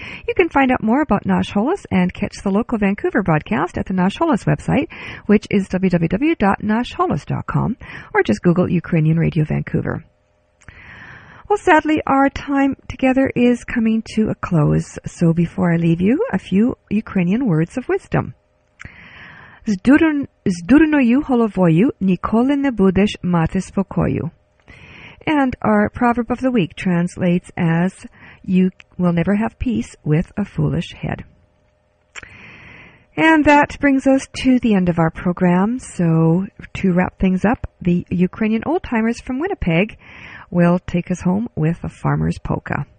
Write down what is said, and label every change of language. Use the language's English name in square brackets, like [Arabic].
[English] You can find out more about Nash Hullis and catch the local Vancouver broadcast at the Nash Hullis website, which is www.nashhullis.com, or just Google Ukrainian Radio Vancouver. Well, sadly, our time together is coming to a close. So before I leave you, a few Ukrainian words of wisdom. [Ukrainian] З дурною головою ніколи не будеш мати спокою. [English] And our proverb of the week translates as, you will never have peace with a foolish head. And that brings us to the end of our program. So to wrap things up, the Ukrainian old-timers from Winnipeg will take us home with a farmer's polka.